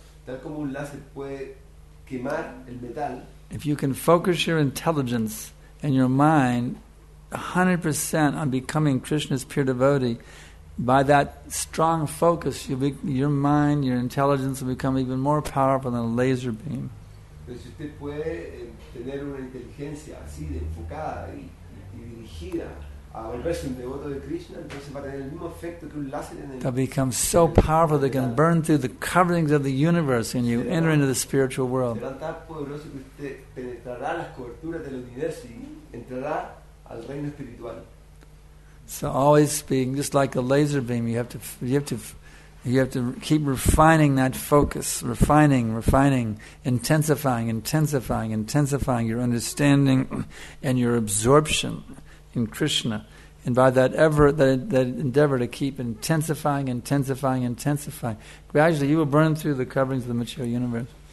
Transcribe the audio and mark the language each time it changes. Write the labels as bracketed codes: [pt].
[es] Tal como un láser puede quemar el metal. [en] If you can focus your intelligence and your mind 100% on becoming Krishna's pure devotee, by that strong focus, your mind, your intelligence will become even more powerful than a laser beam. [es] Pero si usted puede tener una inteligencia así de enfocada y dirigida a volverse un devoto de Krishna, entonces va a tener el mismo efecto que un láser en el. [en] They become so powerful they can burn through the coverings of the universe and you enter into the spiritual world. [es] Será tan poderoso que usted penetrará las coberturas del universo y entrará al reino espiritual. [en] So always being just like a laser beam, you have to keep refining that focus, refining, intensifying your understanding and your absorption in Krishna, and by that endeavor to keep intensifying, gradually you will burn through the coverings of the material universe.